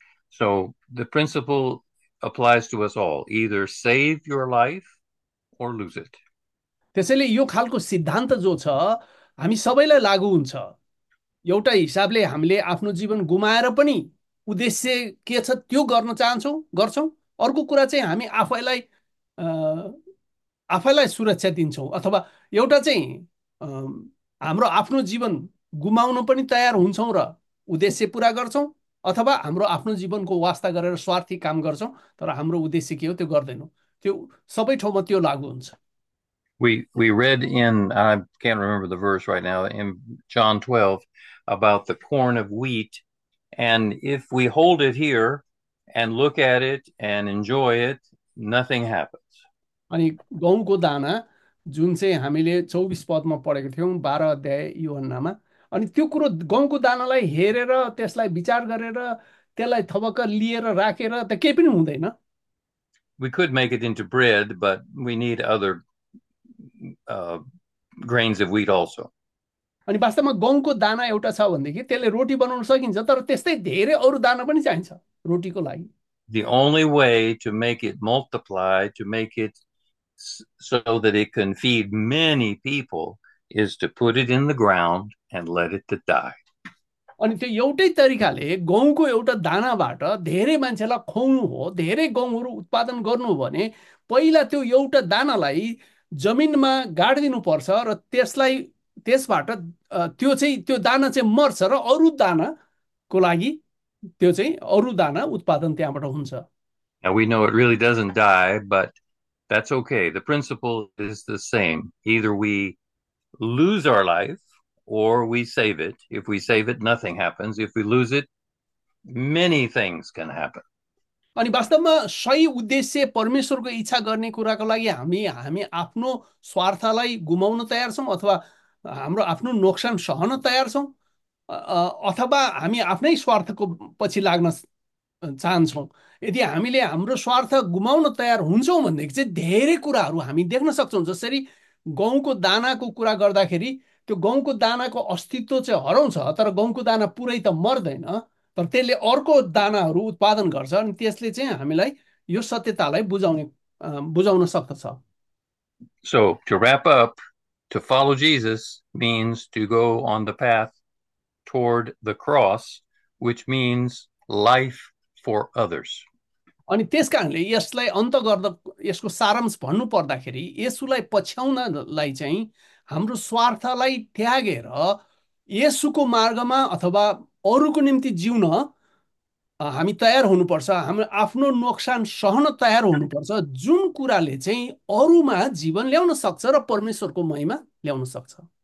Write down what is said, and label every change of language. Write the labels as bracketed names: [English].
[English] So the principle applies to us all. Either save your life or lose it. [Nepali] त्यसैले यो खालको सिद्धान्त जो छ हामी सबैलाई लागू हुन्छ, एउटा हिसाबले हामीले आफ्नो जीवन गुमाएर पनि उद्देश्य के छ त्यो गर्न चाहन्छौँ गर्छौँ, अर्को कुरा चाहिँ हामी आफैलाई आफैलाई सुरक्षा दिन्छौँ, अथवा एउटा चाहिँ हाम्रो आफ्नो जीवन गुमाउन पनि तयार हुन्छौँ र उद्देश्य पुरा गर्छौँ, अथवा हाम्रो आफ्नो जीवनको वास्ता गरेर स्वार्थी काम गर्छौँ तर हाम्रो उद्देश्य के हो त्यो गर्दैनौँ, त्यो सबै ठाउँमा त्यो लागू हुन्छ। [English] We read in, I can't remember the verse right now, in John 12 about the corn of wheat. And if we hold it here and look at it and enjoy it, nothing happens. [Nepali] अनि गहुँको दाना जुन चाहिँ हामीले 24 पदमा पढेको थियौँ 12 अध्याय योहन्नामा, अनि त्यो कुरो गहुँको दानालाई हेरेर त्यसलाई विचार गरेर त्यसलाई थपक्क लिएर राखेर रा, त केही पनि हुँदैन। [English] We could make it into bread, but we need other grains of wheat also. [Nepali] अनि वास्तवमा गहुँको दाना एउटा छ भनेदेखि त्यसले रोटी बनाउन सकिन्छ, तर त्यस्तै धेरै अरू दाना पनि चाहिन्छ रोटीको लागि। [English] The only way to make it multiply, to make it so that it can feed many people, is to put it in the ground and let it to die. [Nepali] अनि त्यो एउटै तरिकाले गहुँको एउटा दानाबाट धेरै मान्छेलाई खुवाउनु हो, धेरै गहुँहरू उत्पादन गर्नु हो भने पहिला त्यो एउटा दानालाई जमिनमा गाडिदिनु पर्छ र त्यसलाई त्यसबाट त्यो चाहिँ त्यो दाना चाहिँ मर्छ र अरू दानाको लागि त्यो चाहिँ अरू दाना उत्पादन त्यहाँबाट हुन्छ। [English] Now we know it really doesn't die, but that's okay. The principle is the same. Either we lose our life or we save it. If we save it, nothing happens. If we lose it, many things can happen. [Nepali] अनि वास्तवमा सही उद्देश्य परमेश्वरको इच्छा गर्ने कुराको लागि हामी आफ्नो स्वार्थलाई गुमाउन तयार छौँ अथवा हाम्रो आफ्नो नोक्सान सहन तयार छौँ अथवा हामी आफ्नै स्वार्थको पछि लाग्न चाहन्छौँ, यदि हामीले हाम्रो स्वार्थ गुमाउन तयार हुन्छौँ भनेदेखि चाहिँ धेरै कुराहरू हामी देख्न सक्छौँ, जसरी गहुँको दानाको कुरा गर्दाखेरि त्यो गहुँको दानाको अस्तित्व चाहिँ हराउँछ तर गहुँको दाना पुरै त मर्दैन, तर त्यसले अर्को दानाहरू उत्पादन गर्छ अनि त्यसले चाहिँ हामीलाई यो सत्यतालाई बुझाउन सक्दछ। [English] So, to wrap up, to follow Jesus means to go on the path toward the cross, which means life for others. [Nepali] अनि त्यस कारणले यसलाई अन्त गर्दा यसको सारांश भन्नु पर्दाखेरि यसुलाई पछ्याउनलाई चाहिँ हाम्रो स्वार्थलाई त्यागेर यसुको मार्गमा अथवा अरूको निम्ति जिउन हामी तयार हुनुपर्छ, हामी आफ्नो नोक्सान सहन तयार हुनुपर्छ, जुन कुराले चाहिँ अरूमा जीवन ल्याउन सक्छ र परमेश्वरको महिमा ल्याउन सक्छ।